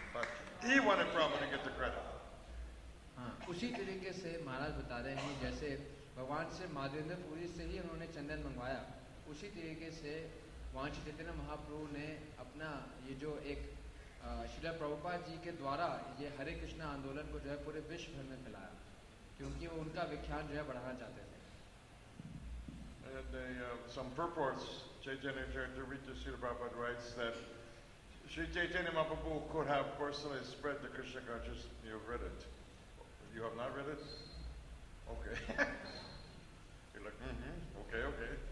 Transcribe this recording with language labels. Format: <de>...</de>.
<en>But He wanted Prabhupada to get the credit.</en> <hi>हाँ उसी तरीके से महाराज बता रहे हैं जैसे भगवान से माधवेंद्र पुरी से ही उन्होंने चंदन मंगवाया उसी तरीके से वहाँ चैतन्य महाप्रभु ने अपना ये जो एक श्री प्रभुपाद जी के द्वारा ये हरे कृष्ण आंदोलन को जो है पूरे विश्व भर में फैलाया क्योंकि वो उनका विख्यान जो है बढ़ाना चाहते थे</hi> <en>And some purports, Chaitanya Charitamrita Srila Prabhupada writes that Sri Chaitanya Mahaprabhu could have personally spread the Krishna consciousness. You have read it. You have not read it? Okay. You're like, okay, okay.</en>